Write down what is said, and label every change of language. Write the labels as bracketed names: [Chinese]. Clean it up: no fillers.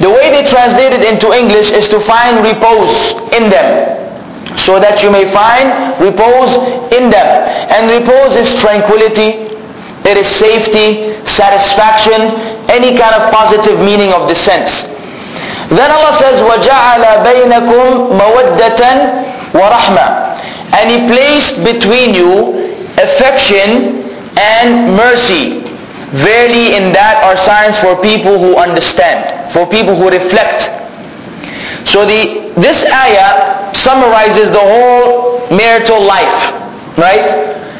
[English] The way they translate it into English is to find repose in them. So that you may find repose in them. And repose is tranquility, it is safety, satisfaction, any kind of positive meaning of the sense. Then Allah says, [Arabic] وَجَعَلَ بَيْنَكُمْ مَوَدَّةً وَرَحْمَةً. [English] And He placed between you affection and mercy. Verily in that are signs for people who understand, for people who reflect. So this ayah summarizes the whole marital life, right?